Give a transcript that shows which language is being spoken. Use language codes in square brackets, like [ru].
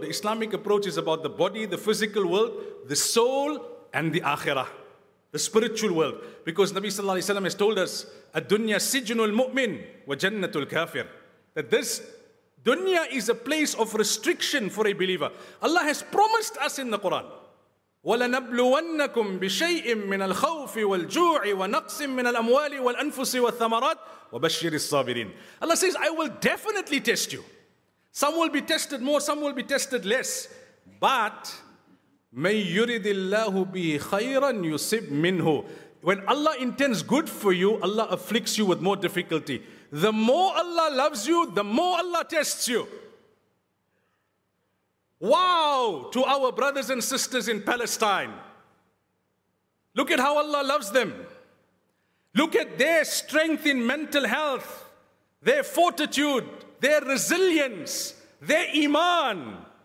[en] The Islamic approach is about the body, the physical world, the soul, and the akhirah, the spiritual world. Because Nabi sallallahu alayhi wa sallam has told us, [ar] "Ad-dunya sijnul mu'min wa jannatul kafir," [en] that this dunya is a place of restriction for a believer. Allah has promised us in the Quran, [ar] وَلَنَبْلُوَنَّكُمْ بِشَيْءٍ مِّنَ الْخَوْفِ وَالْجُوعِ وَنَقْسٍ مِّنَ الْأَمْوَالِ وَالْأَنفُسِ وَالثَّمَرَاتِ وَبَشِّرِ الصَّابِرِينَ. [en] Allah says, I will definitely test you. Some will be tested more, some will be tested less. But [ar] مَنْ يُرِدِ اللَّهُ بِهِ خَيْرًا يُصِبْ مِنْهُ. [en] When Allah intends good for you, Allah afflicts you with more difficulty. The more Allah loves you, the more Allah tests you. Wow to our brothers and sisters in Palestine. Look at how Allah loves them. Look at their strength in mental health, their fortitude, their resilience, their iman.